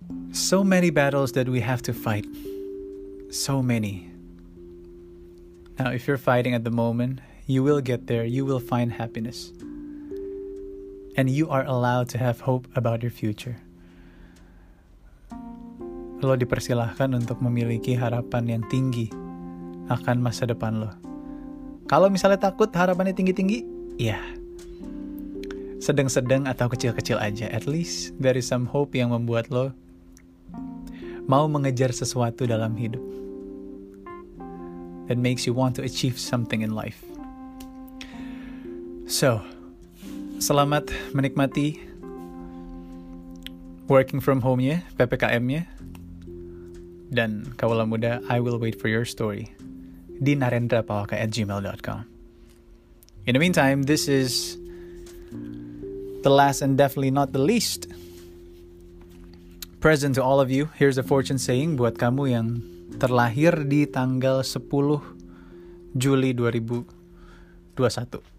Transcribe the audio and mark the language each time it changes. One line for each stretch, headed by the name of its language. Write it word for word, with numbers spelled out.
English: So many battles that we have to fight. So many. Now, if you're fighting at the moment, you will get there. You will find happiness. And you are allowed to have hope about your future.
Indonesian: Lo dipersilahkan untuk memiliki harapan yang tinggi akan masa depan lo. Kalau misalnya takut harapannya tinggi-tinggi, ya, sedang-sedang atau kecil-kecil aja.
English: At least there is some hope
Indonesian: yang membuat lo mau mengejar sesuatu dalam hidup.
English: That makes you want to achieve something in life.
Indonesian: So, selamat menikmati
English: working from home-
Indonesian: nya, P P K M-nya.
English: Dan Kawula Muda, I will wait for your story. Di narendrapawaka at gmail dot com. In the meantime, this is the last and definitely not the least present to all of you. Here's a fortune saying
Indonesian: buat kamu yang terlahir di tanggal sepuluh Juli dua ribu dua puluh satu.